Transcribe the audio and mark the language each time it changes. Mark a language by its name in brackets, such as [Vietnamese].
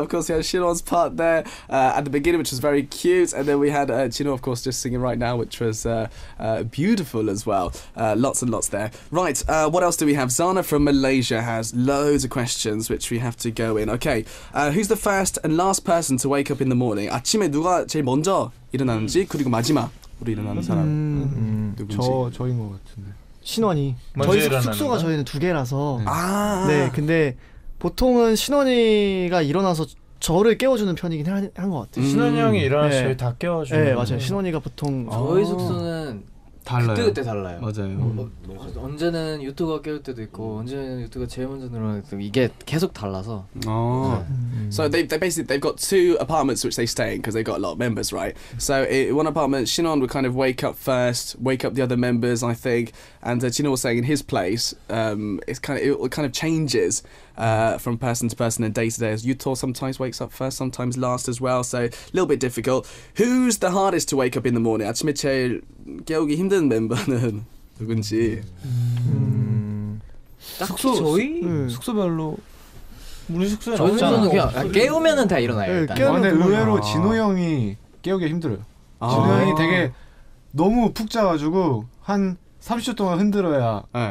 [English] Of course, we had Shinon's part there at the beginning, which was very cute, and then we had Jinho, of course, just singing right now, which was beautiful as well. Lots and lots there. Right, what else do we have? Zana from Malaysia has loads of questions, which we have to go in. Okay, who's the first and last person to wake up in the morning? [Korean] 아침에 누가 제일 먼저 일어나는지 그리고 마지막 우리 일어나는 사람 누구지? 저인 것 같은데. 신원이. 저희 숙소가 저희는 두 개라서. 아. 네, 근데 보통은 신원이가 일어나서 저를 깨워주는 편이긴 한 것 같아요. 신원이 형이 일어나서 네. 저희 다 깨워주는. 네, 맞아요. 신원이가 보통. 저희 숙소는 달라요. 그때그때 달라요. 맞아요. 언제는 유튜브가 깨울 때도 있고 언제는 유튜브가 제일 먼저 늘어날 때도 있고 이게 계속 달라서. 어. 네. [English] So they basically they've got two apartments which they stay in because they've got a lot of members, right? So in one apartment, Shinon would kind of wake up first, wake up the other members, I think. And Jinho was saying in his place, it kind of changes. From person to person and day to day. Yuto sometimes wakes up first, sometimes last as well, so a little bit difficult. Who's the hardest to wake up in the morning? [Korean] 아침에 제일 깨우기 힘든 멤버는 누군지? 숙소 저희? 숙소별로 우리 숙소에 저희 숙소는 그냥 깨우면은 다 일어나요. 일단. 깨우는데 의외로 진호 형이 깨우기 힘들어요. 아. 진호 형이 되게 너무 푹 자가지고 한 30초 동안 흔들어야 네.